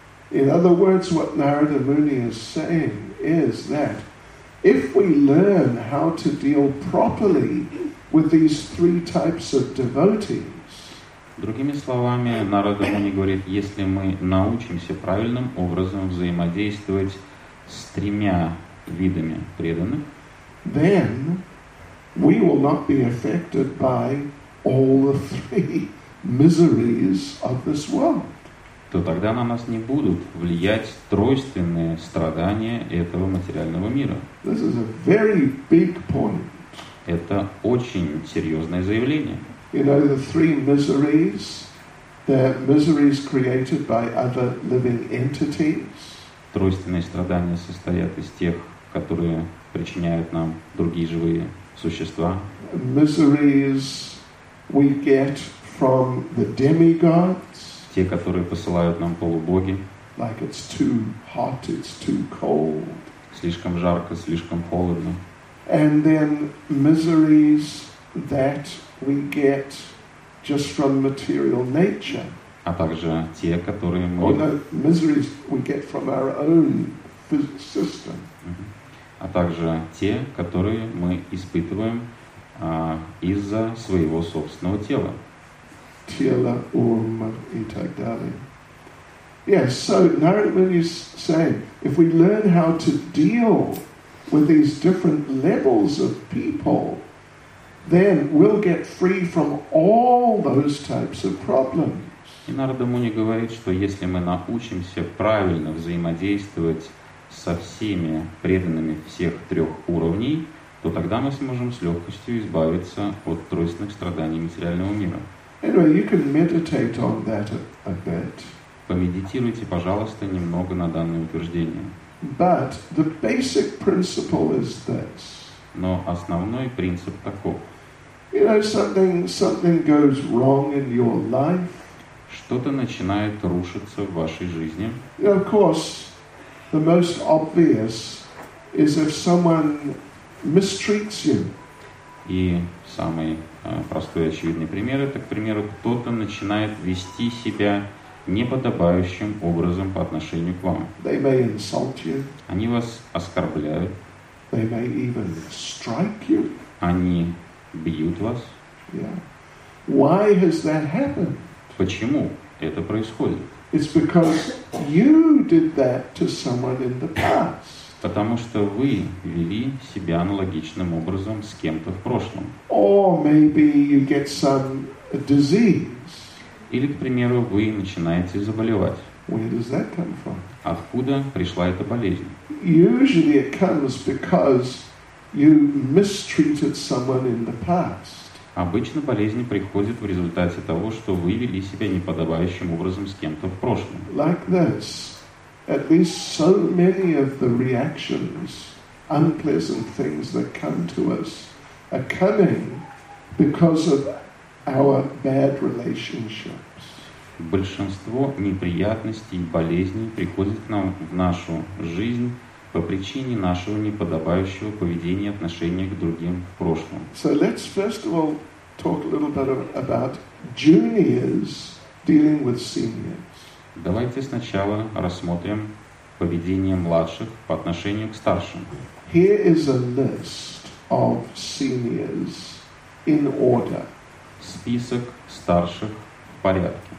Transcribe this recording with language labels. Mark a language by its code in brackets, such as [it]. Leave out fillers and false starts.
[en] In other words, what Narada Muni is saying is that if we learn how to deal properly with these three types of devotees. [ru] Другими словами, Нарада Муни говорит, если мы научимся правильным образом взаимодействовать с тремя видами преданных, [en] then we will not be affected by all the three miseries of this world. [ru] То тогда на нас не будут влиять тройственные страдания этого материального мира. [en] This is a very big point. [ru] Это очень серьезное заявление. [en] You know, the three miseries, they're miseries created by other living entities. [ru] Тройственные страдания состоят из тех, которые причиняют нам другие живые существа. [en] Miseries we get from the demigods. [ru] Те, которые посылают нам полубоги. [en] Like it's too hot, it's too cold. [ru] Слишком жарко, слишком холодно. [en] And then miseries that we get just from material nature. [ru] А также те, которые мы... [en] Or the miseries we get from our own system. [ru] А также те, которые мы испытываем из-за своего собственного тела. Тело, ум и так далее. [en] Yes, so Narada Muni is saying, if we learn how to deal with these different levels of people, then we'll get free from all those types of problems. [ru] И Нарада Муни говорит, что если мы научимся правильно взаимодействовать со всеми преданными всех трех уровней, то тогда мы сможем с легкостью избавиться от тройственных страданий материального мира. [en] Anyway, you can meditate on that a bit. [ru] Помедитируйте, пожалуйста, немного на данное утверждение. [en] But the basic principle is this. [ru] Но основной принцип таков. [en] You know, something goes wrong in your life. [ru] Что-то начинает рушиться в вашей жизни. [en] Of course, the most obvious is if someone mistreats you. [ru] И самый простой очевидный пример, это, к примеру, кто-то начинает вести себя неподобающим образом по отношению к вам. [en] They may insult you. [ru] Они вас оскорбляют. [en] They may even strike you. [ru] Они бьют вас. [en] Yeah. Why has that happened? [ru] Почему это происходит? [en] It's because you did that to someone in the past. [ru] Потому что вы вели себя аналогичным образом с кем-то в прошлом. [en] Or maybe you get some disease. [ru] Или, к примеру, вы начинаете заболевать. [en] Where does that come from? [ru] Откуда пришла эта болезнь? [en] Usually it comes because you mistreated someone in the past. [ru] Обычно болезни приходят в результате того, что вы вели себя неподобающим образом с кем-то в прошлом. [en] Like this, at least so many of the reactions, unpleasant things that come to us, are coming because of our bad relationships. [ru] Большинство неприятностей и болезней приходит к нам в нашу жизнь по причине нашего неподобающего поведения и отношения к другим в прошлом. [en] So let's first of all talk a little bit about juniors dealing with seniors. [ru] Давайте сначала рассмотрим поведение младших по отношению к старшим. [en] Here is a list of seniors in order. [ru] Список старших в порядке.